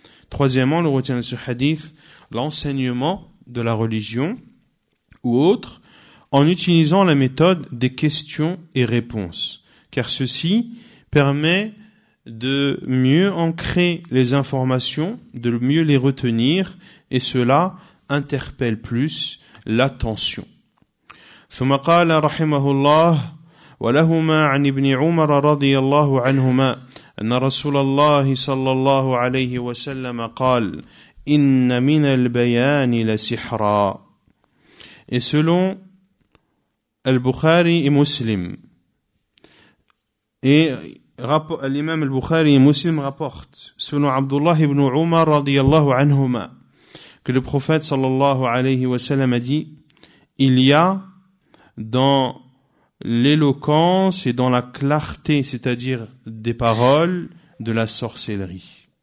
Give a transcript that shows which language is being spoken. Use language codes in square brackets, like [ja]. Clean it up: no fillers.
[fr] Troisièmement, le retient de ce hadith l'enseignement de la religion ou autre en utilisant la méthode des questions et réponses, car ceci permet de mieux ancrer les informations, de mieux les retenir, et cela interpelle plus l'attention. [ar] ثم قال رحمه الله ولهما عن ابن عمر رضي الله عنهما أن رسول الله صلى الله عليه وسلم قال إن من البيان لسحرا. [fr] Et selon Al-Bukhari et Muslim, et l'imam Al-Bukhari et Muslim rapportent, selon Abdullah ibn Umar radiyallahu anhuma, que le prophète sallallahu alayhi wa sallam a dit, il y a dans l'éloquence et dans la clarté, c'est-à-dire des paroles, de la sorcellerie.